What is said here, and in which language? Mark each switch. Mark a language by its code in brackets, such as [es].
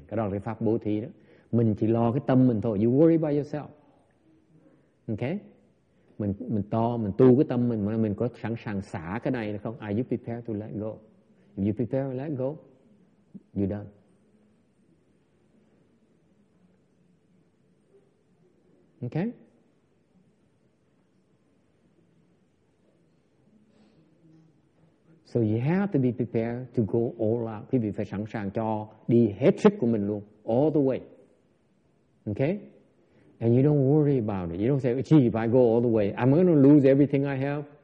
[vi] Cái đó là cái pháp bố thí đó. Mình chỉ lo cái tâm mình thôi. [en] You worry by yourself. Okay? [vi] Mình tu cái tâm mình có sẵn sàng xả cái này hay không? [en] Are you prepared to let go? If you prepare to let go, you're done. Okay? So you have to be prepared to go all out. [vi] Quý vị phải sẵn sàng cho đi hết sức của mình luôn. [en] All the way. Okay? And you don't worry about it. You don't say, gee, if I go all the way, I'm going to lose everything I have.